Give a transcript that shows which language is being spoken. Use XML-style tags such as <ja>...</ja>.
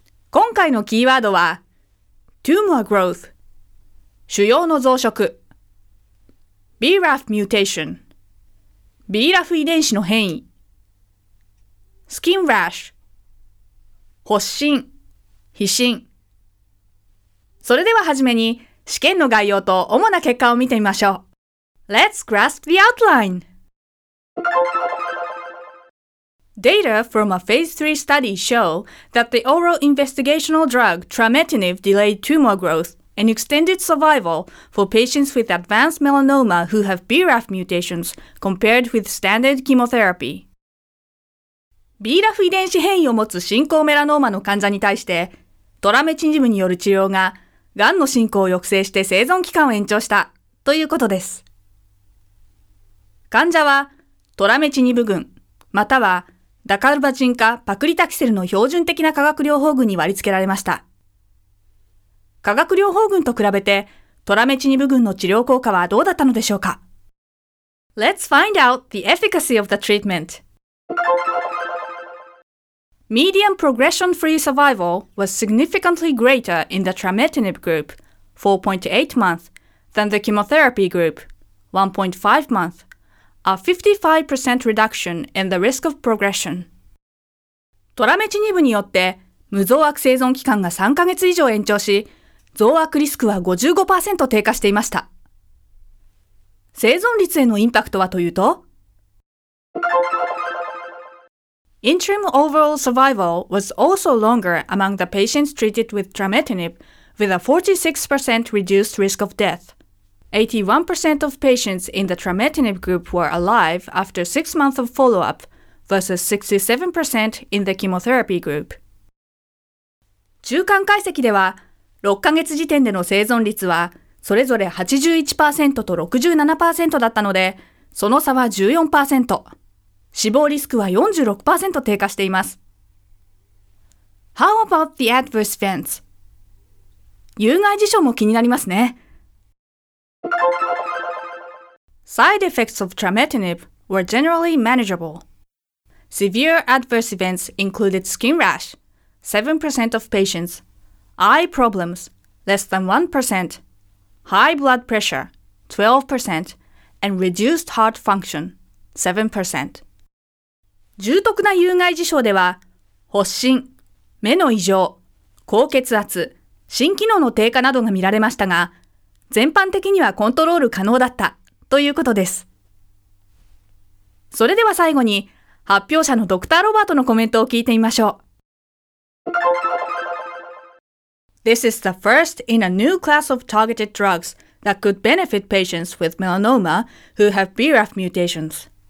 <ja>今回のキーワードは、Tumor Growth、腫瘍の増殖、BRAF Mutation、BRAF 遺伝子の変異、Skin Rash、発疹、皮疹。それでは初めに、試験の概要と主な結果を見てみましょう。</ja> <en>Let's grasp the outline! Data from a phase 3 study show that the oral investigational drug trametinib delayed tumor growth and extended survival for patients with advanced melanoma who have BRAF mutations compared with standard chemotherapy.</en> <ja>BRAF 遺伝子変異を持つ進行メラノーマの患者に対して、トラメチニブによる治療が、がんの進行を抑制して生存期間を延長したということです。患者はトラメチニブ群またはダカルバチンかパクリタキセルの標準的な化学療法群に割り付けられました。化学療法群と比べてトラメチニブ群の治療効果はどうだったのでしょうか。</ja> <en>Let's find out the efficacy of the treatment. Median progression-free survival was significantly greater in the trametinib group, 4.8 months, than the chemotherapy group, 1.5 months. A 55% reduction in the risk of progression.</en> <ja>トラメチニブによって無増悪生存期間が3ヶ月以上延長し、増悪リスクは 55% 低下していました。生存率へのインパクトはというと、</ja> <en>Interim overall survival was also longer among the patients treated with trametinib, with a 46% reduced risk of death. 81% of patients in the trametinib group were alive after 6 months of follow-up, versus 67% in the chemotherapy group.</en> <ja>中間解析では、6ヶ月時点での生存率はそれぞれ 81% と 67% だったので、その差は 14%。死亡リスクは 46% 低下しています。</ja> <en>How about the adverse events?</en> <ja>有害事象も気になりますね。</ja> <en>Side effects of trametinib were generally manageable. Severe adverse events included skin rash, 7% of patients, eye problems, less than 1%, high blood pressure, 12%, and reduced heart function, 7%.</en> <ja>重篤な有害事象では、発疹、目の異常、高血圧、心機能の低下などが見られましたが、全般的にはコントロール可能だったということです。それでは最後に、発表者のドクター・ロバートのコメントを聞いてみましょう。</ja> <en>This is the first in a new class of targeted drugs that could benefit patients with melanoma who have BRAF mutations.</en>